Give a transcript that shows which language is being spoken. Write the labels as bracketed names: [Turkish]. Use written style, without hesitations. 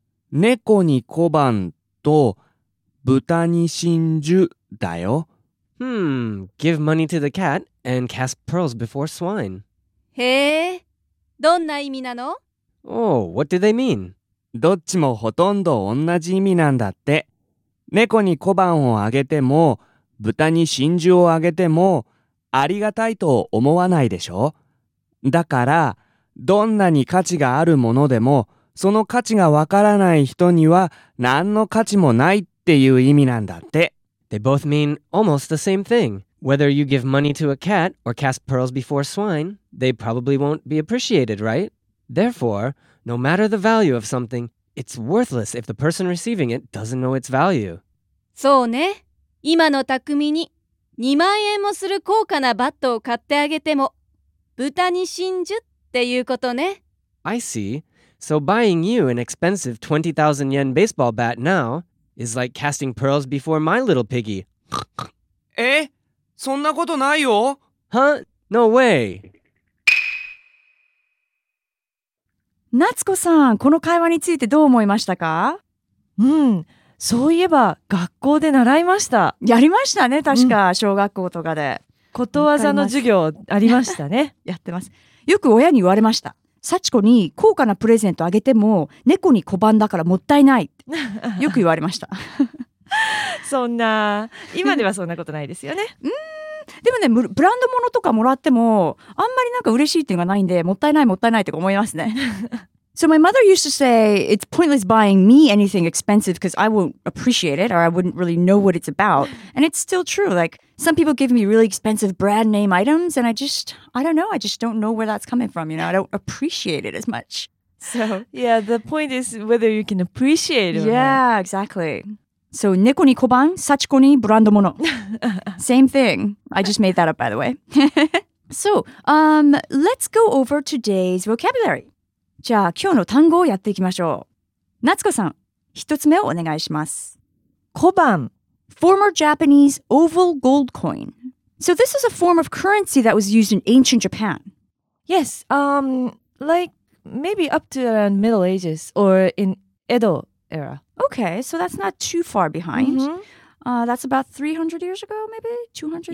[Japanese] 猫に小判と豚に真珠だよ。 [English] Give money to the cat and cast pearls before swine. [Japanese] へえ、どんな意味なの？ [English] Oh, what do they mean? [Japanese] どっちもほとんど同じ意味なんだって。猫に小判をあげても、豚に真珠をあげても、ありがたいと思わないでしょ？だから、どんなに価値があるものでも、その価値がわからない人には何の価値もないっていう意味なんだって。 [English] They both mean almost the same thing. Whether you give money to a cat or cast pearls before swine, they probably won't be appreciated, right? Therefore, no matter the value of something, it's worthless if the person receiving it doesn't know its value. [Japanese] そうね。今の匠に2万円もする高価なバットを買ってあげても、豚に真珠っていうことね。 [English] I see. So buying you an expensive 20,000 yen baseball bat now... is like casting pearls before my little piggy. [Japanese] え？そんなことないよ。 [English] Huh? No way. [Japanese] 夏子さん、この会話についてどう思いましたか？うん、そういえば学校で習いました。やりましたね、確か、うん、小学校とかでことわざの授業ありましたね。やってます。よく親に言われました。幸子に高価なプレゼントあげても猫に小判だからもったいないってよく言われました。そんな今ではそんなことないですよね。うん、でもね、ブランド物とかもらってもあんまりなんか嬉しいっていうのがないんで、もったいないもったいないって思いますね。 [English] So my mother used to say it's pointless buying me anything expensive because I won't appreciate it or I wouldn't really know what it's about. And it's still true. Like some people give me really expensive brand name items and I just don't know where that's coming from. You know, I don't appreciate it as much. So yeah, the point is whether you can appreciate it or yeah, Yeah, exactly. [Japanese] So 猫に小判、幸子にブランド物。 [English] Same thing. I just made that up, by the way. So let's go over today's vocabulary. [Japanese] じゃあ今日の単語をやっていきましょう。夏子さん、一つ目をお願いします。小判。 [English] Former Japanese oval gold coin. So this is a form of currency that was used in ancient Japan. Yes, like maybe up to around Middle Ages or in Edo era. Okay, so that's not too far behind. Mm-hmm. That's about 300 years ago, maybe? 200,